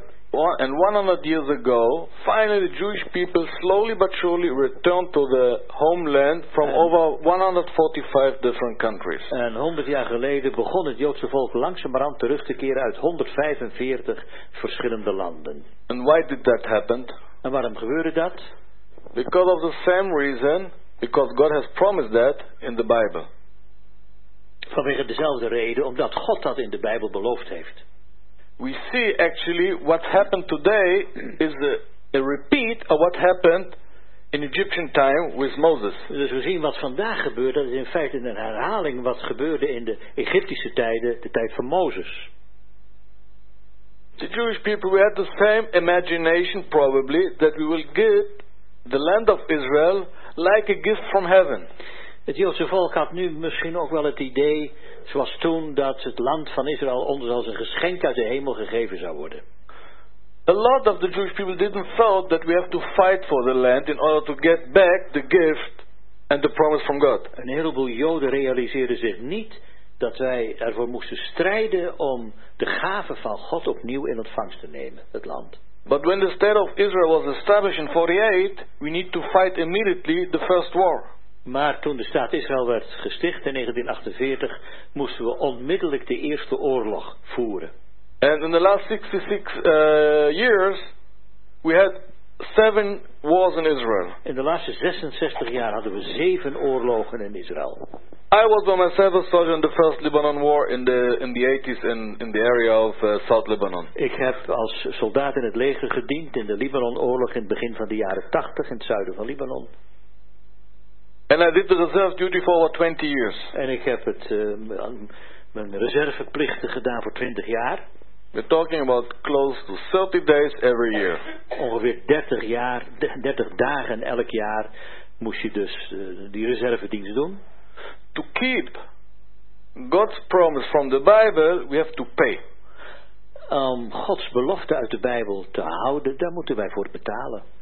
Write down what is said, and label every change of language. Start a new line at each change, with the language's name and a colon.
English: And 100 years ago, finally the Jewish people slowly but surely returned to the homeland from over 145 different countries.
Dutch: En 100 jaar geleden begon het Joodse volk langzamerhand terug te keren uit 145 verschillende landen.
English: And why did that happen?
Dutch: En waarom gebeurde dat?
English: Because of the same reason, because God has promised that in the Bible.
Dutch: Vanwege dezelfde reden, omdat God dat in de Bijbel beloofd heeft.
English: We see actually what happened today is a repeat of what happened in Egyptian time with Moses.
Dutch: Dus we zien wat vandaag gebeurt, dat is in feite een herhaling wat gebeurde in de Egyptische tijden, de tijd van Mozes.
English: The Jewish people, we had the same imagination probably that we will get the land of Israel like a gift from heaven.
Dutch: Het Joodse volk had nu misschien ook wel het idee, zoals toen, dat het land van Israël ons als een geschenk uit de hemel gegeven zou worden.
English: A lot of the Jewish people didn't thought that we have to fight for the land in order to get back the gift and the promise from God.
Dutch: Een heleboel Joden realiseerden zich niet dat wij ervoor moesten strijden om de gave van God opnieuw in ontvangst te nemen, het land.
English: But when the state of Israel was established in 48, we need to fight immediately the first war.
Dutch: Maar toen de staat Israël werd gesticht in 1948, moesten we onmiddellijk de eerste oorlog voeren.
English: And in the last 66 years, we had 7 wars in Israel.
Dutch: In de laatste 66 jaar hadden we 7 oorlogen in Israël.
English: I was by myself a soldier in the first Lebanon war in the 80s in the area of South Lebanon.
Dutch: Ik heb als soldaat in het leger gediend in de Libanon oorlog in het begin van de jaren 80 in het zuiden van Libanon.
English: And I did the reserve duty for over 20 years.
Dutch: En ik heb het mijn reserveplichten gedaan voor 20 jaar.
English: We're talking about close to 30 days every year.
Dutch: Ongeveer 30 dagen elk jaar moest je dus die reservedienst doen.
English: To keep God's promise from the Bible, we have to pay.
Dutch: Gods belofte uit de Bijbel te houden, daar moeten wij voor betalen.